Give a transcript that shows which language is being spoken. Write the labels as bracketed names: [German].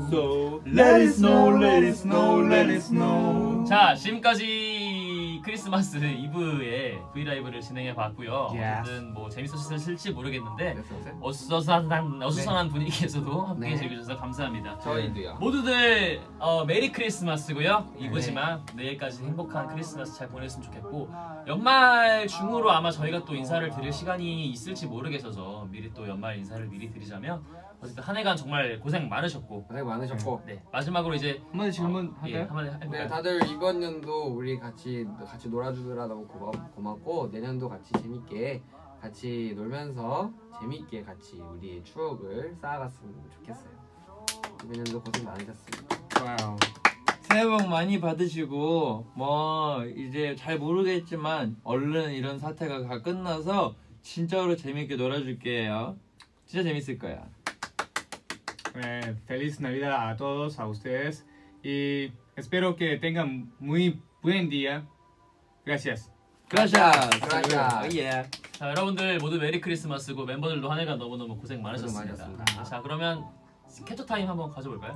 [English] So let it snow, let it snow, let it snow. [Korean] 자 지금까지. 크리스마스 이브에 브이라이브를 진행해 봤고요. 어쨌든 뭐 재밌으셨을지 모르겠는데 어수선한 분위기에서도 함께 네. 즐겨주셔서 감사합니다. 저희도요. 모두들 메리 크리스마스고요. 이브지만 내일까지 행복한 크리스마스 잘 보냈으면 좋겠고 연말 중으로 아마 저희가 또 인사를 드릴 시간이 있을지 모르겠어서 미리 또 연말 인사를 미리 드리자면 어쨌든 한 해간 정말 고생 많으셨고. 고생 많으셨고. 네. 마지막으로 이제 한마디 질문 할까요? 예, 한마디 할까요? 네, 다들 이번 년도 우리 같이 놀아주느라 너무 고맙고 내년도 같이 재밌게 같이 놀면서 재밌게 같이 우리의 추억을 쌓아갔으면 좋겠어요. 이번 년도 고생 많으셨습니다. 와우. 새해 복 많이 받으시고 뭐 이제 잘 모르겠지만 얼른 이런 사태가 다 끝나서 진짜로 재밌게 놀아줄게요. 진짜 재밌을 거야. [Spanish] 네, feliz Navidad a todos a ustedes y espero que tengan muy buen día. Gracias. Gracias. Gracias. [English] Yeah. [Korean] 자, 여러분들 모두 메리 크리스마스고 멤버들도 한 해간 너무너무 고생 많으셨습니다. 자, 그러면 캐처 타임 한번 가져볼까요?